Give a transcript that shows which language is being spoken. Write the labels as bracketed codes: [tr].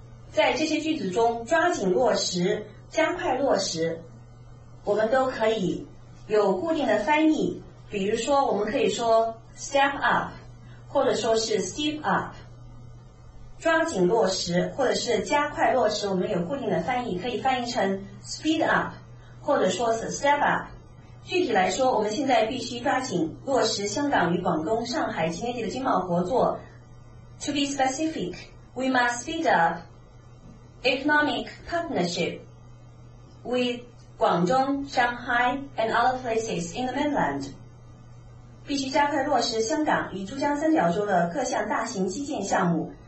[zh] 在这些句子中，抓紧落实，加快落实，我们都可以有固定的翻译，比如说我们可以说 step up 或者说是 step up， 抓紧落实或者是加快落实，我们有固定的翻译，可以翻译成 speed up 或者说是 step up。具体来说，我们现在必须抓紧落实香港与广东、上海及内地的经贸合作。 [en] To be specific, we must speed up economic partnership with Guangzhou, Shanghai and other places in the mainland. [zh] 必须加快落实香港与珠江三角洲的各项大型基建项目。